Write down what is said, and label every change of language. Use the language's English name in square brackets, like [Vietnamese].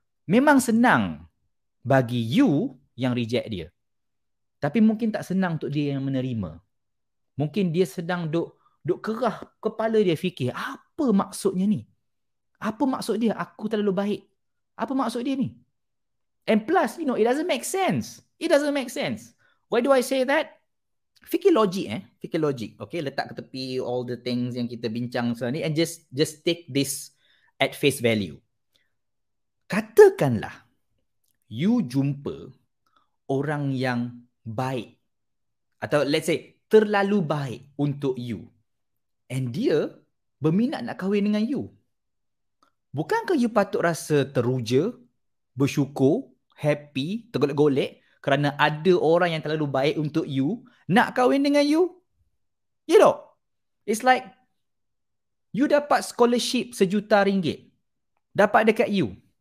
[Malay] Memang senang bagi you yang reject dia. Tapi mungkin tak senang untuk dia yang menerima. Mungkin dia sedang duk kerah kepala dia fikir, apa maksudnya ni? Apa maksud dia aku terlalu baik? Apa maksud dia ni? [English] And plus, you know, it doesn't make sense. It doesn't make sense. Why do I say that? Fikir logik eh. Fikir logik. Okay, letak ke tepi all the things yang kita bincang sekarang ni and just take this at face value. [Malay] Katakanlah, you jumpa orang yang baik. Atau let's say, terlalu baik untuk you. And dia berminat nak kahwin dengan you. Bukankah you patut rasa teruja, bersyukur, happy, tergolek-golek kerana ada orang yang terlalu baik untuk you nak kahwin dengan you? [English] You know, it's like you dapat scholarship RM1,000,000 dapat dekat you.